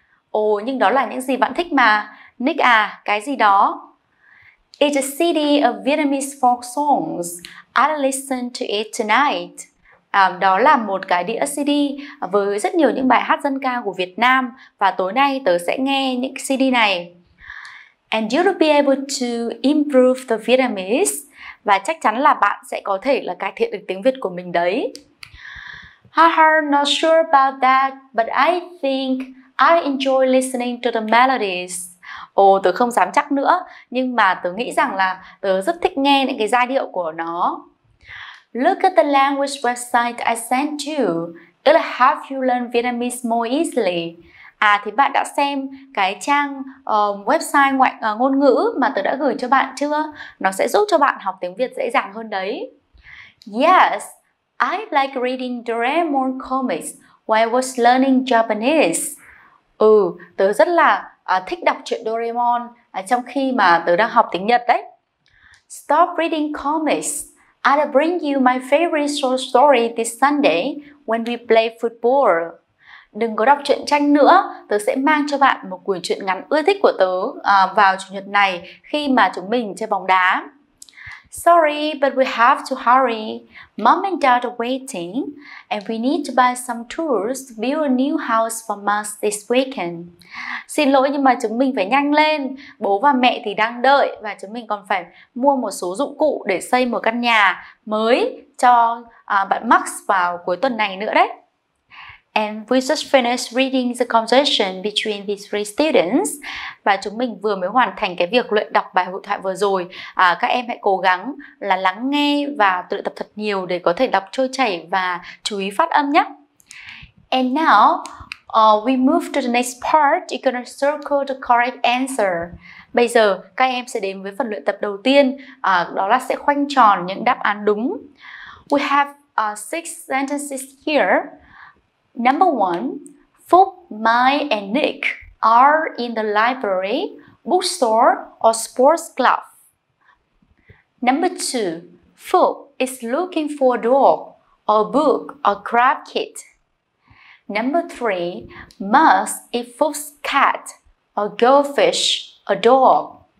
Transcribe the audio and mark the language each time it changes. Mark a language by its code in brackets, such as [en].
[vi] Ồ, nhưng đó là những gì bạn thích mà. Nick à, cái gì đó? [en] It's a CD of Vietnamese folk songs. I'll listen to it tonight. [vi] Đó là một cái đĩa CD với rất nhiều những bài hát dân ca của Việt Nam và tối nay tớ sẽ nghe những CD này. [en] And you'll be able to improve the Vietnamese. [vi] Và chắc chắn là bạn sẽ có thể là cải thiện được tiếng Việt của mình đấy. [en] Haha, not sure about that, but I think I enjoy listening to the melodies. [vi] Ồ, tớ không dám chắc nữa, nhưng mà tớ nghĩ rằng là tớ rất thích nghe những cái giai điệu của nó. [en] Look at the language website I sent you. It'll help you learn Vietnamese more easily. [vi] À, thì bạn đã xem cái trang website ngôn ngữ mà tớ đã gửi cho bạn chưa? Nó sẽ giúp cho bạn học tiếng Việt dễ dàng hơn đấy. [en] Yes, I like reading Doraemon comics while I was learning Japanese. [vi] Ừ, tớ rất là thích đọc truyện Doraemon trong khi mà tớ đang học tiếng Nhật đấy. [en] Stop reading comics. I'll bring you my favorite short story this Sunday when we play football. [vi] Đừng có đọc truyện tranh nữa, tớ sẽ mang cho bạn một quyển truyện ngắn ưa thích của tớ vào chủ nhật này khi mà chúng mình chơi bóng đá. [en] Sorry, but we have to hurry. Mom and Dad are waiting and we need to buy some tools to build a new house for Mars this weekend. [vi] Xin lỗi nhưng mà chúng mình phải nhanh lên. Bố và mẹ thì đang đợi và chúng mình còn phải mua một số dụng cụ để xây một căn nhà mới cho bạn Max vào cuối tuần này nữa đấy. [en] And we just finished reading the conversation between these three students. [vi] Và chúng mình vừa mới hoàn thành cái việc luyện đọc bài hội thoại vừa rồi. Các em hãy cố gắng là lắng nghe và tự tập thật nhiều để có thể đọc trôi chảy và chú ý phát âm nhé. [en] And now, we move to the next part. You're gonna circle the correct answer. [vi] Bây giờ, các em sẽ đến với phần luyện tập đầu tiên. Đó là sẽ khoanh tròn những đáp án đúng. [en] We have six sentences here. Number one, Phúc, Mai and Nick are in the library, bookstore or sports club. Number two, Phúc is looking for a dog. a book, a craft kit. Number 3, mouse, a fox, cat, a goldfish, a dog.